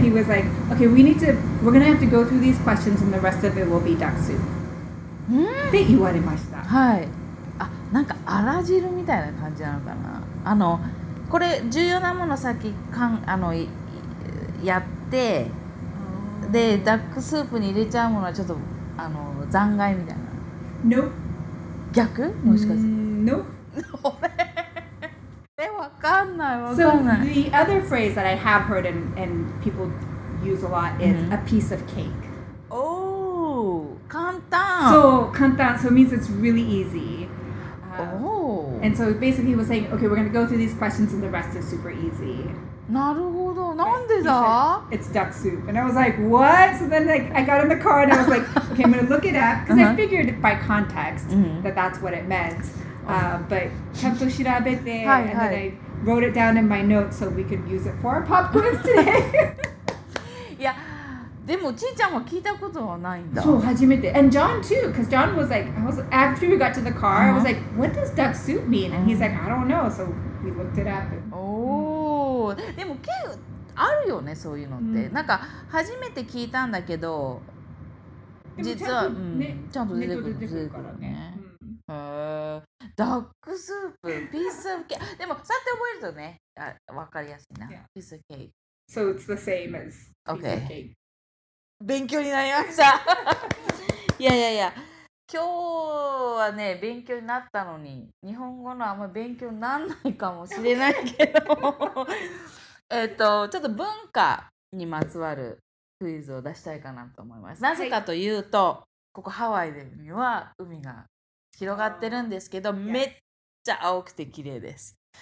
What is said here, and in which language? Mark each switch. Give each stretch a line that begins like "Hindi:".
English: He was like, okay, we're gonna have to go through these questions and the rest of it will be duck soup.
Japanese: って言われました。はい。あ、なんかあら汁みたいな感じなのかな。あの、これ重要なもの先かんあのやっで、oh. で、ダックスープに入れちゃうものはちょっとあの残骸みたいな。
English: Nope.
Japanese: 逆？もしかして。
English: Nope.
Japanese: え、わかんない、わかんない。
English: So the other phrase that I have heard and people use a lot is、mm-hmm. a piece of cake.
Japanese: Oh, 簡単。
English: So 簡単。So it means it's really easy. Oh. And so basically he was saying, okay, we're gonna go through these questions and the rest is super easy.
Japanese: なるほど、なんでだ
English: It's duck soup. And I was like, what? So then like, I got in the car and I was like, okay, I'm going to look it up. Because、uh-huh. I figured by context、mm-hmm. that that's what it meant.、But
Japanese: ちゃんと調べて、はいはい、
English: and then I wrote it down in my notes so we could use it for our pop quiz today.
Japanese: いや、でもちーちゃんは聞いたことはないんだ。そう、初めて。
English: And John too, because John was like, I was, after we got to the car,、uh-huh. I was like, what does duck soup mean? And he's like, I don't know. So we looked it up. And, oh.
Japanese: でも、あるよね、そういうのって。うん、なんか、初めて聞いたんだけど、実は、ね、うん、ちゃんと出てくるからね、
English: うん。ダックスープ、ピースオブケーキ。
Japanese: でも、そうやって覚えるとね、わかりやすいな。
English: Yeah. ピースオブケーキ。 So it's the same as piece of cake.
Japanese: 勉強になりました。いやいやいや。今日はね、勉強になったのに、日本語のあんま勉強にならないかもしれないけど、ちょっと文化にまつわるクイズを出したいかなと思います。なぜかというと、はい、ここハワイでは海が広がってるんですけど、めっちゃ青くて綺麗です。